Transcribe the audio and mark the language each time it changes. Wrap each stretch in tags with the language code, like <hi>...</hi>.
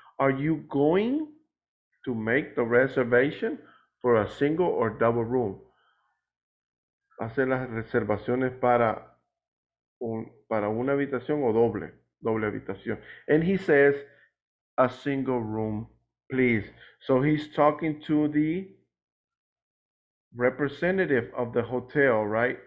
<en>Are you going to make the reservation for a single or double room?</en> <es>Hacer las reservaciones para una habitación o doble habitación.</es> <en>And he says, a single room, please. So he's talking to the representative of the hotel, right?</en>